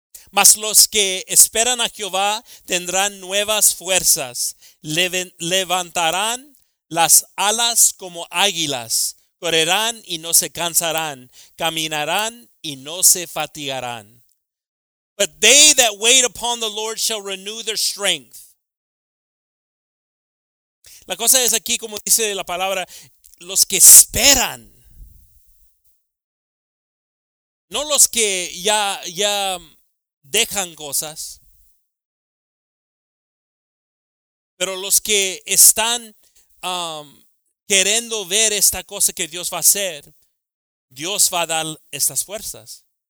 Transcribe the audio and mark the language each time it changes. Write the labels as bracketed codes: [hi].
[es] Mas los que esperan a Jehová tendrán nuevas fuerzas, levantarán las alas como águilas, correrán y no se cansarán, caminarán y no se fatigarán. [en] But they that wait upon the Lord shall renew their strength. [es] La cosa es aquí, como dice la palabra, los que esperan. No los que ya dejan cosas. Pero los que están queriendo ver esta cosa que Dios va a hacer, Dios va a dar estas fuerzas.